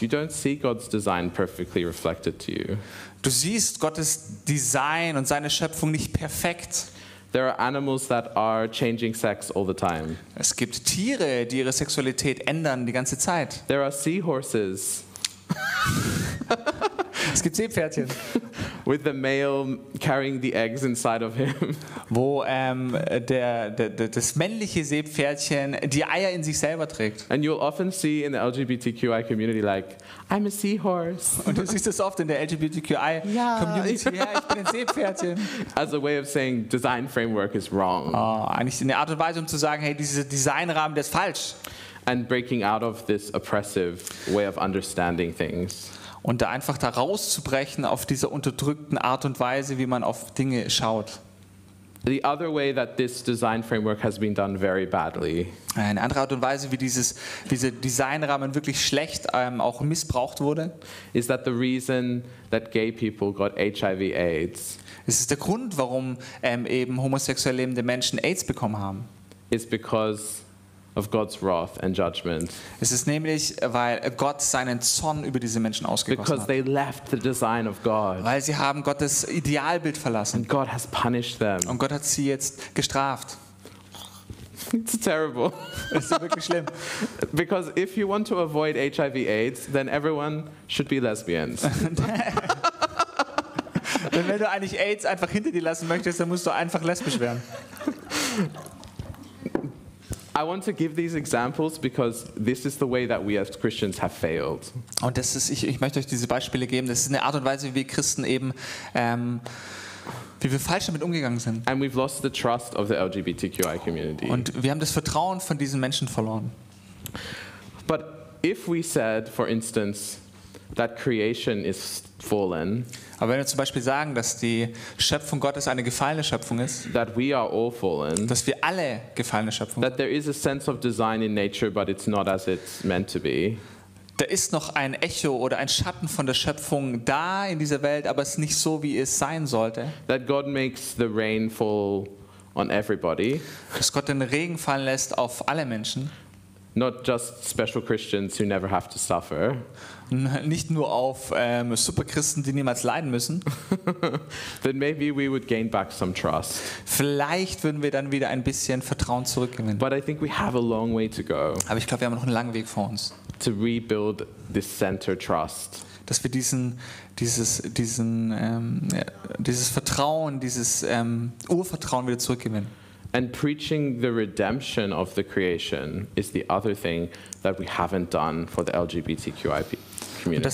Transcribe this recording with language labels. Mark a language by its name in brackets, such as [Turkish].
[English] you don't see God's design perfectly reflected to you. [German] Du siehst Gottes Design und seine Schöpfung nicht perfekt. [English] There are animals that are changing sex all the time. [German] Es gibt Tiere, die ihre Sexualität ändern die ganze Zeit. [English] There are seahorses. [German] Es gibt Seepferdchen. [English] With the male carrying the eggs inside of him. [German] Wo das männliche Seepferdchen die Eier in sich selber trägt. [English] And you'll often see in the LGBTQI community like, I'm a seahorse. [German] Und du siehst das oft in der LGBTQI community. Ja, ich bin ein Seepferdchen. [English] As a way of saying design framework is wrong. [German] Oh, eigentlich eine Art und Weise, um zu sagen, hey, dieser Designrahmen, der ist falsch. [English] And breaking out of this oppressive way of understanding things. [German] Und da einfach da rauszubrechen auf dieser unterdrückten Art und Weise, wie man auf Dinge schaut. [English] The other way that this design framework has been done very badly. [German] Eine andere Art und Weise, wie diese Designrahmen wirklich schlecht auch missbraucht wurde, [English] is that the reason that gay people got HIV/AIDS. [German] Es ist der Grund, warum eben homosexuell lebende Menschen AIDS bekommen haben. [English] Is because of God's wrath and judgment. [German] Es ist nämlich, weil Gott seinen Zorn über diese Menschen ausgegossen [English] hat. Because they left the design of God. [German] Weil sie haben Gottes Idealbild verlassen. [English] And God has punished them. [German] Und Gott hat sie jetzt gestraft. [English] It's terrible. [German] Es ist wirklich schlimm. [English] Because if you want to avoid HIV/AIDS, then everyone should be lesbians. [German] Denn wenn du eigentlich AIDS einfach hinter dir lassen möchtest, dann musst du einfach lesbisch werden. [English] I want to give these examples because this is the way that we as Christians have failed. [German] Und das ist, ich möchte euch diese Beispiele geben. Das ist eine Art und Weise, wie wir Christen eben, wie wir falsch damit umgegangen sind. [English] And we've lost the trust of the LGBTQI community. [German] Und wir haben das Vertrauen von diesen Menschen verloren. [English] But if we said, for instance, that creation is fallen. [German] Aber wenn wir zum Beispiel sagen, dass die Schöpfung Gottes eine gefallene Schöpfung ist, [English] that we are all fallen, [German] dass wir alle gefallene Schöpfung [English] sind, that there is a sense of design in nature, but it's not as it's meant to be, [German] da ist noch ein Echo oder ein Schatten von der Schöpfung da in dieser Welt, aber es ist nicht so, wie es sein sollte, [English] that God makes the rain fall on everybody, [German] dass Gott den Regen fallen lässt auf alle Menschen, [English] not just special Christians who never have to suffer, [German] nicht nur auf Superchristen, die niemals leiden müssen. [English] Then maybe we would gain back some trust. [German] Vielleicht würden wir dann wieder ein bisschen Vertrauen zurückgewinnen. [English] But I think we have a long way to go. [German] Aber ich glaube, wir haben noch einen langen Weg vor uns. [English] To rebuild this center trust. [German] Dass wir dieses Vertrauen, dieses Urvertrauen wieder zurückgewinnen. [English] And preaching the redemption of the creation is the other thing that we haven't done for the LGBTQI community.